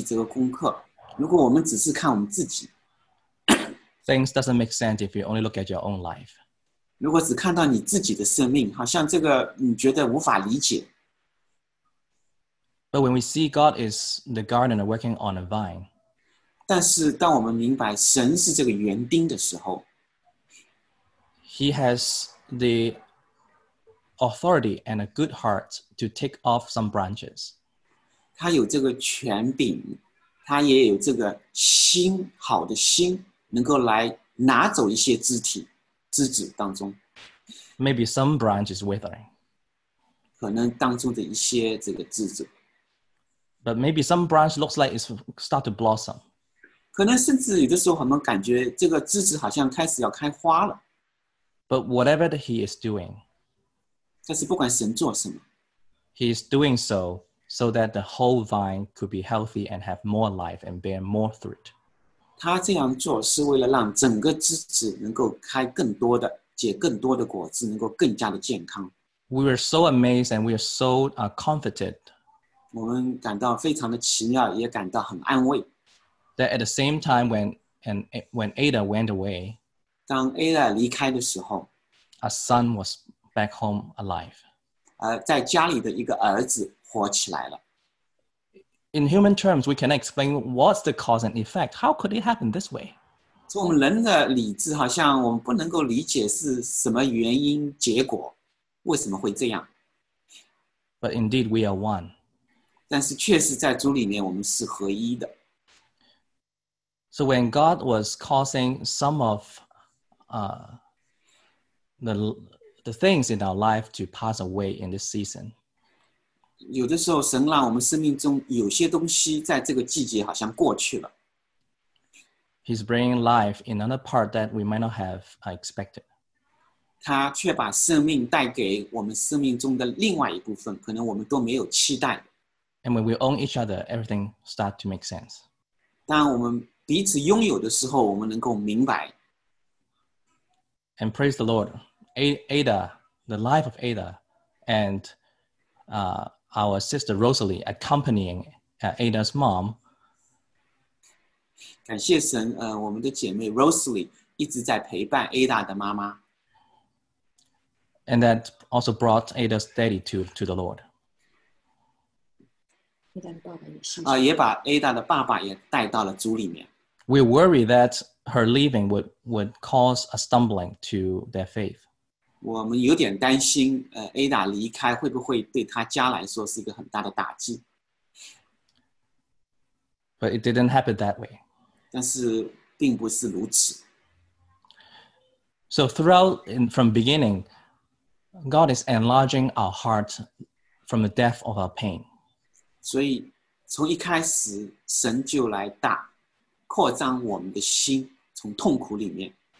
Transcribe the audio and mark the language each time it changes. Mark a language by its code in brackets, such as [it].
[zh] 我想神也是通过整个肢体来让我们来学习这个功课。如果我们只是看我们自己, [en] things doesn't make sense if you only look at your own life. [zh] 如果只看到你自己的生命，好像这个你觉得无法理解。 [en] But when we see God is the gardener working on a vine, [zh] 但是当我们明白神是这个园丁的时候 [en] He has the authority and a good heart to take off some branches. [zh] 他有这个权柄，他也有这个心，好的心，能够来拿走一些枝体、枝子当中。 [en] Maybe some branch is withering. [zh] 可能当中的一些这个枝子。 [en] But maybe some branch looks like it's start to blossom. [zh] 可能甚至有的时候我们感觉这个枝子好像开始要开花了。 [en] But whatever that he is doing, [zh] 但是不管神做什么 [en] he is doing so that the whole vine could be healthy and have more life and bear more fruit. [zh] 他这样做是为了让整个枝子能够开更多的结更多的果子能够更加的健康。 [en] We were so amazed and we are so comforted. [zh] 我们感到非常的奇妙也感到很安慰。 [en] That at the same time when Ada went away, [zh] 当 Ada 离开的时候 [en] a son was back home alive. [zh] 在家里的一个儿子活起来了。 [en] In human terms, we can explain what's the cause and effect. How could it happen this way? [zh] 从我们人的理智好像我们不能够理解是什么原因结果为什么会这样 [en] But indeed we are one [zh] 但是确实在主里面我们是合一的 [en] So when God was causing some of the things in our life to pass away in this season [zh] 有的时候神让我们生命中有些东西在这个季节好像过去了 [en] He's bringing life in another part that we might not have expected. [zh] 他却把生命带给我们生命中的另外一部分，可能我们都没有期待。 [en] And when we own each other, everything starts to make sense. [zh] 当我们彼此拥有的时候，我们能够明白。 [en] And praise the Lord, Ada, the life of Ada, and our sister Rosalie accompanying Ada's mom. [zh] 感谢神，我们的姐妹 Rosalie 一直在陪伴 Ada 的妈妈。 [en] And that also brought Ada's daddy to the Lord. [zh] Ada 的爸爸也信主。也把 Ada 的爸爸也带到了主里面。 [en] We worry that her leaving would cause a stumbling to their faith. [zh] 我们有点担心，Ada 离开会不会对她家来说是一个很大的打击。 [en] But it didn't happen that way. [zh] 但是并不是如此。 [en] So throughout, from beginning, God is enlarging our heart from the depth of our pain. [zh] 所以从一开始神就来大扩张我们的心从痛苦里面。